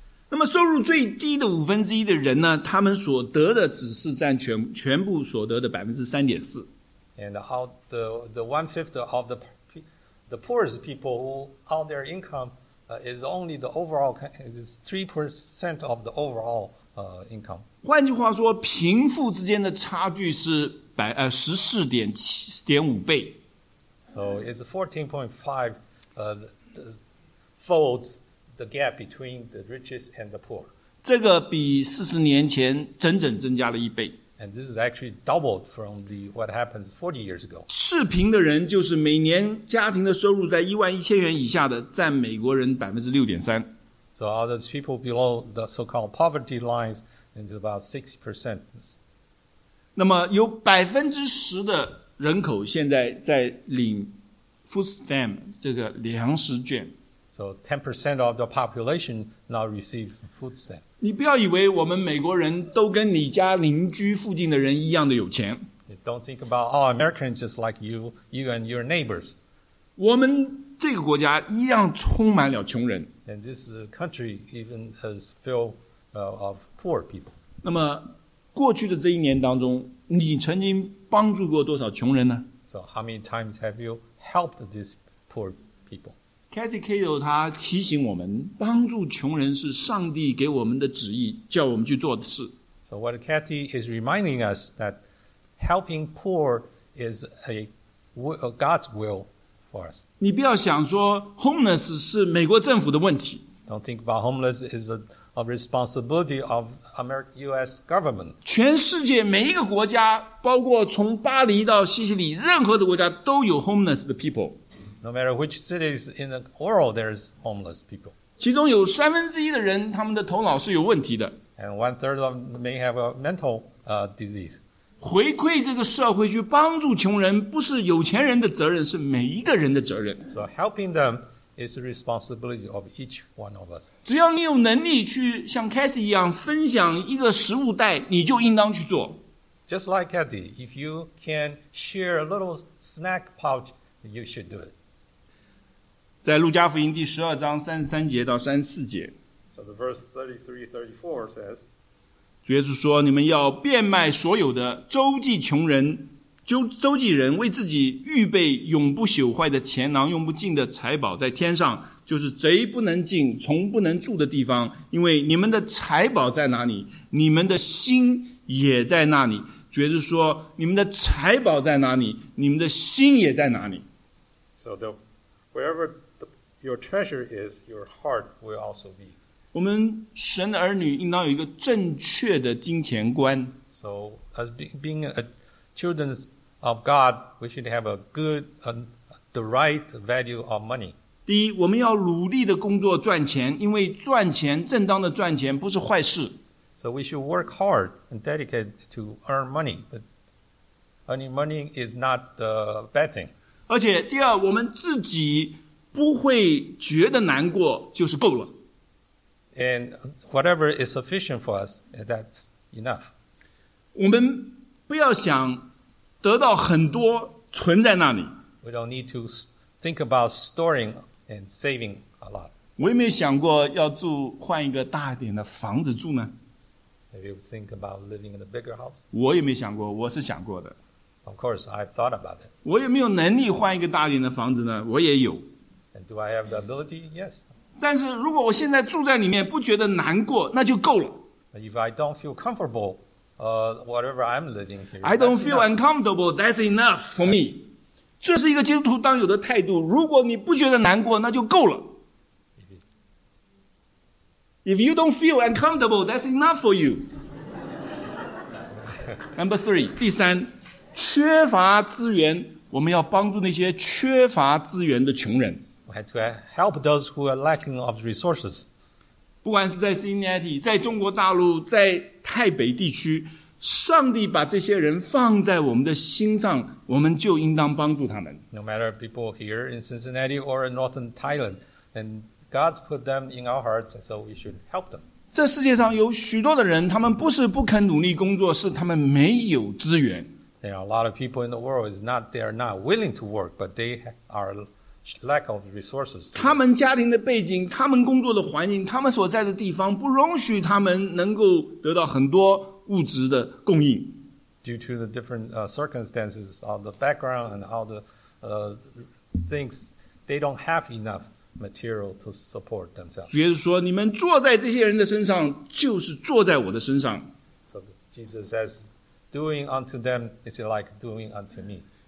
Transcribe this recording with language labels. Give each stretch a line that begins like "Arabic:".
Chinese: 那么收入最低的五分之一的人呢，他们所得的只是占全部所得的3.4%。
English: And out the one-fifth of the poorest people who all their income is only the overall, it is 3% of the overall income.
Chinese: 换句话说，贫富之间的差距是14.5倍。
English: So it's 14.5 the folds the gap between the richest and the poor.
Chinese: 这个比40年前整整增加了一倍。
English: And this is actually doubled from what happened 40 years ago.
Chinese: 赤贫的人就是每年家庭的收入在11,000元以下的，占美国人6.3%。
English: So all those people below the so-called poverty lines is about 6%.
Chinese: 那么有 10% 的人口现在在领 food stamp 这个粮食券。
English: So 10% of the population now receives food stamp.
Chinese: 你不要以为我们美国人都跟你家邻居附近的人一样的有钱。
English: Don't think about all Americans just like you, you and your neighbors.
Chinese: 我们这个国家一样充满了穷人。
English: And this country even is filled of poor people.
Chinese: 那么过去的这一年当中，你曾经帮助过多少穷人呢？
English: So how many times have you helped these poor people?
Chinese: Cathy Cato 他提醒我们，帮助穷人是上帝给我们的旨意，叫我们去做的事。
English: So what Cathy is reminding us that helping poor is a God's will for us.
Chinese: 你不要想说 homeless 是美国政府的问题。
English: Don't think about homeless is a responsibility of America, U.S. government.
Chinese: 全世界每一个国家，包括从巴黎到西西里，任何的国家都有 homeless 的 people.
English: No matter which cities in the world, there's homeless people.
Chinese: 其中有三分之一的人，他们的头脑是有问题的。
English: And one third of them may have a mental disease.
Chinese: 回馈这个社会去帮助穷人，不是有钱人的责任，是每一个人的责任。
English: So helping them. It's the responsibility of each one of us.
Chinese: 只要你有能力去像 Cathy 一样分享一个食物袋，你就应当去做。
English: Just like Cathy, if you can share a little snack pouch, you should do it.
Chinese: 在路加福音第十二章三十三节到三十四节。
English: So the verse 33-34 says,
Chinese: 主耶稣说，你们要变卖所有的，周济穷人。周济人为自己预备永不朽坏的钱囊，用不尽的财宝在天上，就是贼不能进、虫不能住的地方。因为你们的财宝在哪里，你们的心也在那里。觉得说，你们的财宝在哪里，你们的心也在哪里。
English: So the, wherever the, your treasure is, your heart will also be.
Chinese: 我们神的儿女应当有一个正确的金钱观。
English: So as being a children of God, we should have a good, the right value of money.
Chinese: 第一，我们要努力的工作赚钱，因为赚钱，正当的赚钱不是坏事。
English: So we should work hard and dedicate to earn money. But earning money is not a bad thing.
Chinese: 而且第二，我们自己不会觉得难过就是够了。
English: And whatever is sufficient for us, that's enough.
Chinese: 我们不要想得到很多存在那里。
English: We don't need to think about storing and saving a lot.
Chinese: 我也没有想过要住换一个大一点的房子住呢。
English: Have you think about living in a bigger house?
Chinese: 我也没想过，我是想过的。
English: Of course, I've thought about it.
Chinese: 我有没有能力换一个大一点的房子呢？我也有。
English: And do I have the ability? Yes.
Chinese: 但是如果我现在住在里面不觉得难过，那就够了。
English: If I don't feel comfortable. Whatever I'm living here, I don't feel uncomfortable. That's enough for me.
Chinese: 这是一个基督徒当有的态度。如果你不觉得难过，那就够了。
English: If you don't feel uncomfortable, that's enough for you. Number three,
Chinese: 第三，缺乏资源，我们要帮助那些缺乏资源的穷人。
English: We have to help those who are lacking of resources.
Chinese: 不管是在 Cincinnati, 在中国大陆，在台北地区，上帝把这些人放在我们的心上，我们就应当帮助他们。
English: No matter people here in Cincinnati or in northern Thailand, and God's put them in our hearts, so we should help them.
Chinese: 这世界上有许多的人，他们不是不肯努力工作，是他们没有资源。
English: There are a lot of people in the world, it's not they are not willing to work, but they are... Lack of resources.
Chinese: 他们家庭的背景，他们工作的环境，他们所在的地方不容许他们能够得到很多物质的供应。
English: Due to the different circumstances of the background and all the things, they don't have enough material to support themselves.
Chinese: 主耶稣说，你们坐在这些人的身上，就是坐在我的身上。
English: So Jesus says, doing unto them is like doing unto me.